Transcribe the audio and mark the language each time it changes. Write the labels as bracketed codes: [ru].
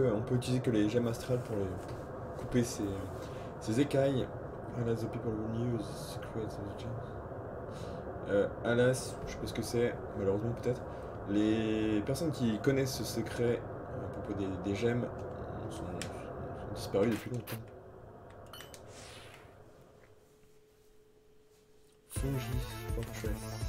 [fr] On peut utiliser que les gemmes astrales pour les couper ces écailles. [en] Alas, the people who knew the secrets of the gems. [fr] Alas, je sais pas ce que c'est, malheureusement peut-être. Les personnes qui connaissent ce secret à propos des gemmes sont disparues depuis longtemps. [en] Fungi Fortress.